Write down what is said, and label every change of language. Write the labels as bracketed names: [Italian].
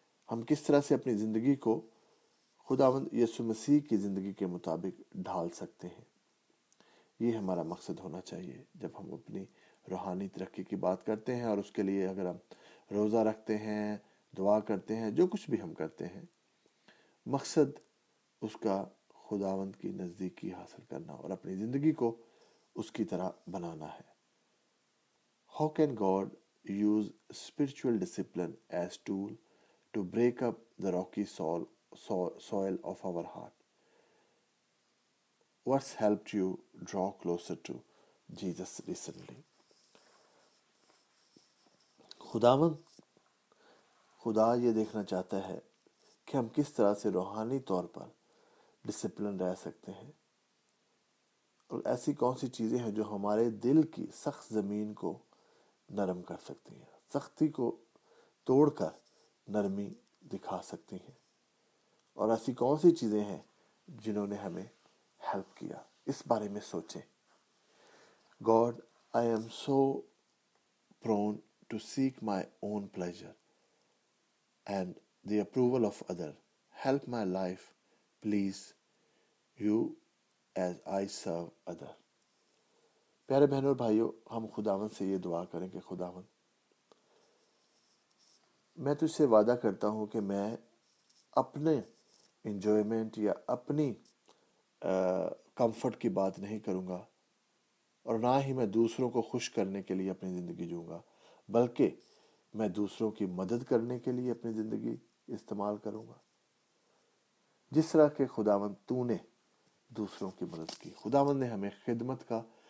[Urdu] ہم کس طرح سے اپنی زندگی کو خداوند یسوع مسیح کی زندگی کے مطابق ڈھال سکتے ہیں, یہ ہمارا مقصد ہونا چاہیے جب ہم اپنی روحانی ترقی کی بات کرتے ہیں. اور اس کے لیے اگر ہم روزہ رکھتے ہیں, دعا کرتے ہیں, جو کچھ بھی ہم کرتے ہیں, مقصد اس کا خداوند کی نزدیکی حاصل کرنا اور اپنی زندگی کو اس کی طرح بنانا ہے. [English] How can God use spiritual discipline as tool to break up the rocky soil of our heart? What's helped you draw closer to Jesus recently? [Urdu] خدا یہ دیکھنا چاہتا ہے کہ ہم کس طرح سے روحانی طور پر ڈسپلن رہ سکتے ہیں, اور ایسی کون سی چیزیں ہیں جو ہمارے دل کی سخت زمین کو نرم کر سکتی ہیں, سختی کو توڑ کر نرمی دکھا سکتی ہیں, اور ایسی کون سی چیزیں ہیں جنہوں نے ہمیں ہیلپ کیا, اس بارے میں سوچیں. [English] God, I am so prone to seek my own pleasure and the approval of other. Help my life please you as I serve other. [Urdu] پیارے بہنوں اور بھائیوں, ہم خداوند سے یہ دعا کریں کہ خداوند, میں تجھ سے وعدہ کرتا ہوں کہ میں اپنے انجوائمنٹ یا اپنی کمفرٹ کی بات نہیں کروں گا, اور نہ ہی میں دوسروں کو خوش کرنے کے لیے اپنی زندگی جوں گا, بلکہ میں دوسروں کی مدد کرنے کے لیے اپنی زندگی استعمال کروں گا, جس طرح کہ خداوند تو نے دوسروں کی مدد کی. خداوند نے ہمیں خدمت کا